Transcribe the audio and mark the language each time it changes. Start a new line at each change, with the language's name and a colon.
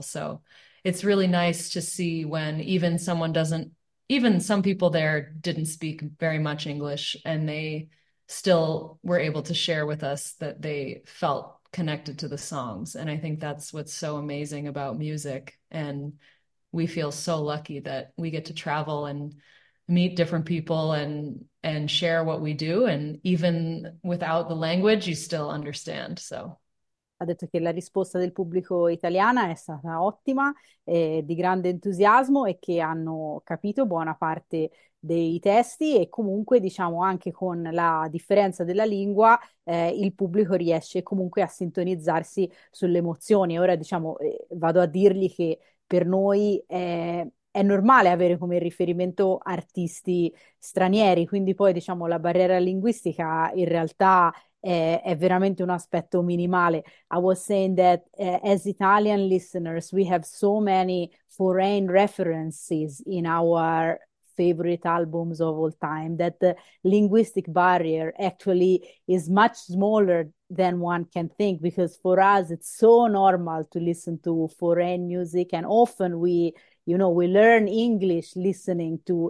English: So it's really nice to see when even someone doesn't, even some people there didn't speak very much English, and they still were able to share with us that they felt connected to the songs. And I think that's what's so amazing about music. And we feel so lucky that we get to travel and meet different people and share what we do. And even without the language, you still understand. So.
Italian: Ha detto che la risposta del pubblico italiana è stata ottima, di grande entusiasmo e che hanno capito buona parte dei testi e comunque, diciamo, anche con la differenza della lingua, il pubblico riesce comunque a sintonizzarsi sulle emozioni. Ora, diciamo, vado a dirgli che per noi è normale avere come riferimento artisti stranieri, quindi poi, diciamo, la barriera linguistica in realtà è veramente un aspetto minimale.
English: I was saying that as Italian listeners, we have so many foreign references in our favorite albums of all time that the linguistic barrier actually is much smaller than one can think, because for us it's so normal to listen to foreign music, and often we, you know, we learn English listening to